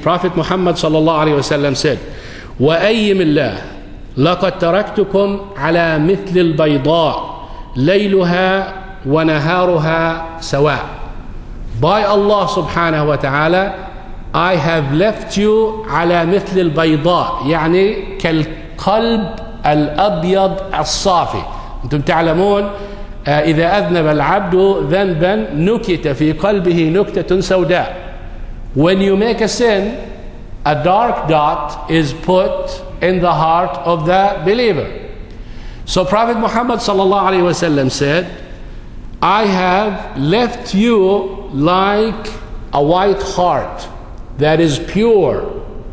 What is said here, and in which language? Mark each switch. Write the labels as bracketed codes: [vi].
[ar] Prophet Muhammad صلى الله عليه وسلم said, وَأَيِّمِ اللَّهِ لَقَدْ تَرَكْتُكُمْ عَلَى مِثْلِ الْبَيْضَاءِ لَيْلُهَا ونهارها سواء. [en] By Allah subhanahu wa ta'ala, I have left you [ar] على مثل البيضاء, يعني كالقلب الأبيض الصافي. أنتم تعلمون إذا أذنب العبد ذنبا نكت في قلبه نكتة سوداء. [en] When you make a sin, a dark dot is put in the heart of the believer. So Prophet Muhammad sallallahu alaihi wasallam said, I have left you like a white heart that is pure.